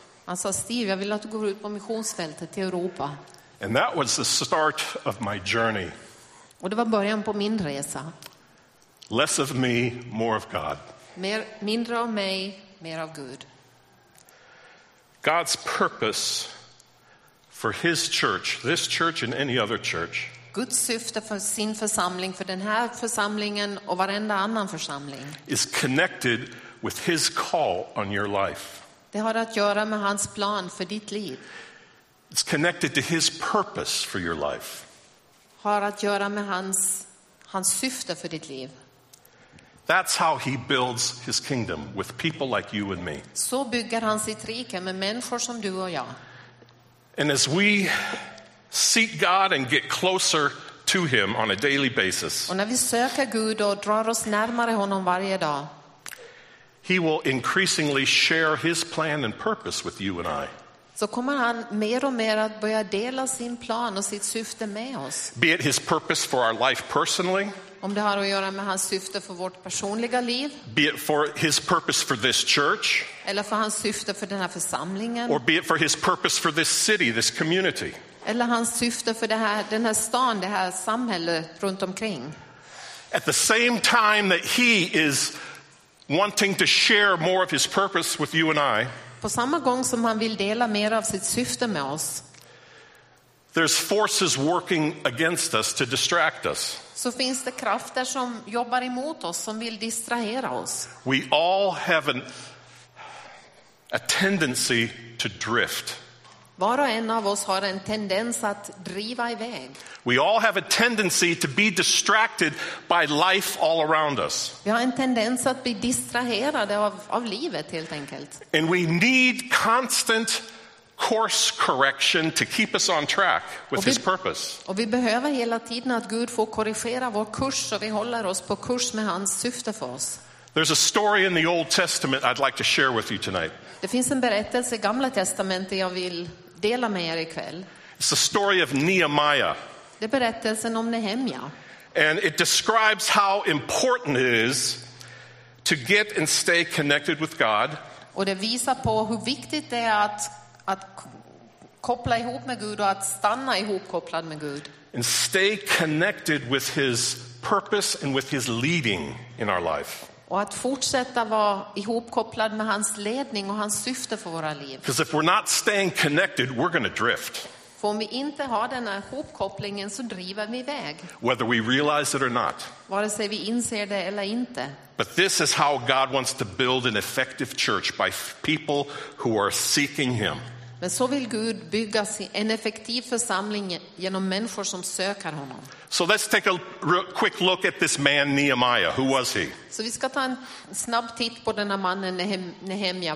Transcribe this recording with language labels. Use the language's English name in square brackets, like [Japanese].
[Swedish] Han sa, Steve, jag vill att du går ut på missionsfältet till Europa. [English] And that was the start of my journey. [Swedish] Och det var början på min resa. [English] Less of me, more of God. [Swedish] Mer, mindre av mig, mer av Gud. [English] God's purpose for his church, this church and any other church. [Swedish] Guds syfte för sin församling, för den här församlingen och varenda annan församling. [English] Is connected with his call on your life. [Swedish] Det har att göra med hans plan för ditt liv. [English] It's connected to his purpose for your life. [Swedish] Har att göra med hans syfte för ditt liv. [English] That's how he builds his kingdom with people like you and me. [Swedish] Så bygger han sitt rike med människor som du och jag. [English] And as we seek God and get closer to him on a daily basis. [Swedish] Och när vi söker Gud och drar oss närmare honom varje dag. [English] He will increasingly share his plan and purpose with you and I. [Swedish] Så kommer han mer och mer att börja dela sin plan och sitt syfte med oss. [English] Be it his purpose for our life personally. [Swedish] Om det har att göra med hans syfte för vårt personliga liv. [English] Be it for his purpose for this church. [Swedish] Eller för hans syfte för den här församlingen. [English] Or be it for his purpose for this city, this community. [Swedish] Eller hans syfte för det här, den här stan, det här samhället runt omkring. [English] At the same time that he is wanting to share more of his purpose with you and I. [Swedish] På samma gång som han vill dela mer av sitt syfte med oss. [English] There's forces working against us to distract us. [Swedish] Så finns det krafter som jobbar emot oss, som vill distrahera oss. [English] We all have a tendency to drift. [Swedish] Var och en av oss har en tendens att driva iväg. [English] We all have a tendency to be distracted by life all around us. [Swedish] Vi har en tendens att bli distraherade av livet helt enkelt. [English] And we need constant course correction to keep us on track with his purpose. [Swedish] Och vi behöver hela tiden att Gud får korrigera vår kurs så vi håller oss på kurs med hans syfte för oss. [English] There's a story in the Old Testament I'd like to share with you tonight. [Swedish] Det finns en berättelse i Gamla testamentet jag vill dela med er ikväll. [English] It's the story of Nehemiah. [Swedish] Det är berättelsen om Nehemia. [English] And it describes how important it is to get and stay connected with God. [Swedish] Och det visar på hur viktigt det är att koppla ihop med Gud och att stanna ihop kopplad med Gud. [English] And stay connected with his purpose and with his leading in our life. [Swedish] Och att fortsätta vara ihopkopplad med hans ledning och hans syfte för våra liv. [English] Because if we're not staying connected, we're going to drift. [Swedish] För om vi inte har den här ihopkopplingen så driver vi iväg. [English] Whether we realize it or not. [Swedish] Vare sig vi inser det eller inte. [English] But this is how God wants to build an effective church by people who are seeking him. [Swedish] Men så vill Gud bygga en effektiv församling genom människor som söker honom. [English] So let's take a quick look at this man Nehemiah. Who was he? [Swedish] Så vi ska ta en snabb titt på den här mannen Nehemia.